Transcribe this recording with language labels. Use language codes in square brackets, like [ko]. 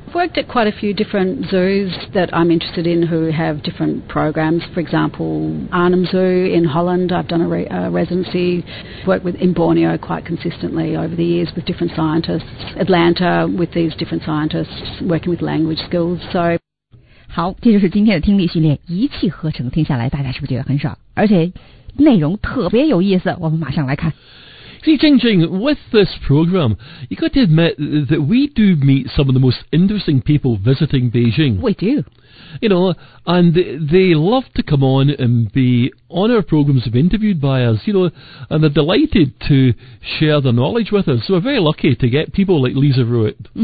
[en] I've worked at quite a few different zoos that I'm interested in who have different programs. For example, Arnhem Zoo in Holland, I've done a residency. I've worked with in Borneo quite consistently over the years with different scientists. Atlanta with these different scientists working with language skills. So [zh] 好，这就是今天的听力训练，一气呵成，听下来大家是不是觉得很爽，而且内容特别有意思，我们马上来看。 [en] See, Jingjing, with this program, you got to admit that we do meet some of the most interesting people visiting Beijing. We do. You know, and they love to come on and be on our programs, be interviewed by us, you know, and they're delighted to share their knowledge with us. So we're very lucky to get people like Lisa Ruitt.